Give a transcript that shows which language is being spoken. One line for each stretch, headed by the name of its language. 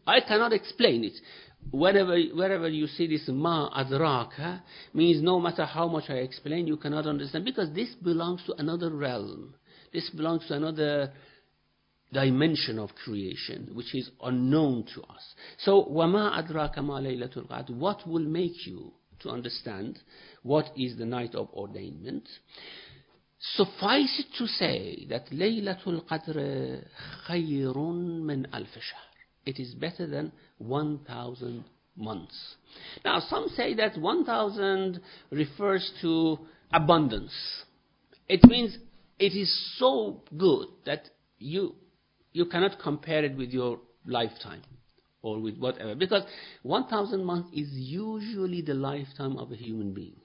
English: I cannot explain it. Wherever you see this ma adraka means no matter how much I explain, you cannot understand, because this belongs to another realm. This belongs to another dimension of creation, which is unknown to us. So,
Arabic: وَمَا أَدْرَاكَ مَا لَيْلَةُ الْقَدْرِ.
English: What will make you to understand what is the night of ordainment? Suffice it to say that
Arabic: لَيْلَةُ الْقَدْرِ خَيْرٌ مِنْ أَلْفِ شَهْرٍ.
English: It is better than 1,000 months. Now, some say that 1,000 refers to abundance. It means it is so good that you cannot compare it with your lifetime or with whatever, because 1,000 months is usually the lifetime of a human being.